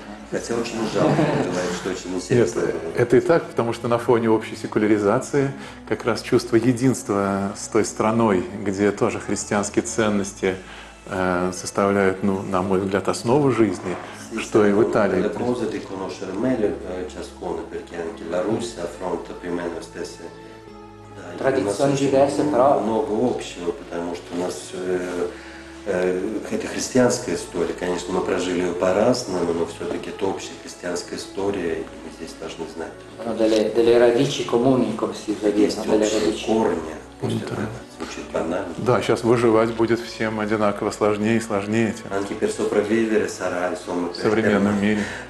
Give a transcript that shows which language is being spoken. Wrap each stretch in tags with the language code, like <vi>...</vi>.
<ru>Хотя очень жалко, бывает, что очень интересно. Это и так, потому что на фоне общей секуляризации как раз чувство единства с той страной, где тоже христианские ценности составляют, ну, на мой взгляд, основу жизни,</ru> <it>sì,</it> <ru>что и в Италии.</ru> <it>Le cose di conoscere meglio ciascuno, perché anche la Russia affronta più o meno stesse</it> <ru>традиционно</ru> <it>diverse, però</it> <ru>много общего, потому что у нас это христианская история, конечно, мы прожили ее по-разному, но все-таки это общая христианская история, и мы здесь должны знать. Но</ru> <it>delle radici comuni, come si dice,</it> <ru>есть общие корни. Да, сейчас выживать будет всем одинаково сложнее и сложнее. В современном мире.</ru>